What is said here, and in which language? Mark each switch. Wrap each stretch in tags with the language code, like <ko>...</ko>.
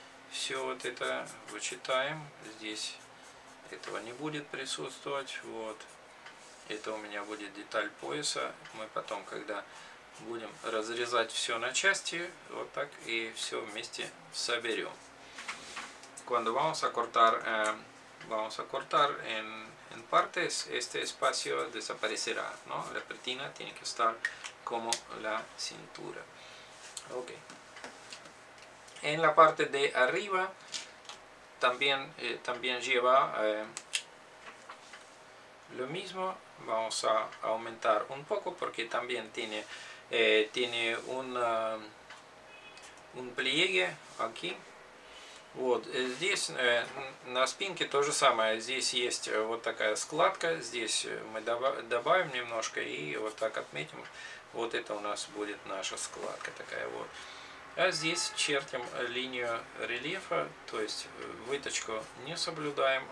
<ru>все вот это вычитаем. Здесь этого не будет присутствовать. Вот это у меня будет деталь пояса. Мы потом, когда будем разрезать все на части, вот так и все вместе соберем.</ru> <es>Cuando vamos a cortar, vamos a cortar en partes, este espacio desaparecerá, ¿no? La pretina tiene que estar como la cintura. Okay. En la parte de arriba también, también lleva lo mismo. Vamos a aumentar un poco porque también tiene, tiene un pliegue aquí.</es> <ru>Вот, здесь на спинке то же самое. Здесь есть вот такая складка. Здесь мы добавим немножко и вот так отметим. Вот это у нас будет наша складка такая вот. А здесь чертим линию рельефа, то есть выточку не соблюдаем.</ru>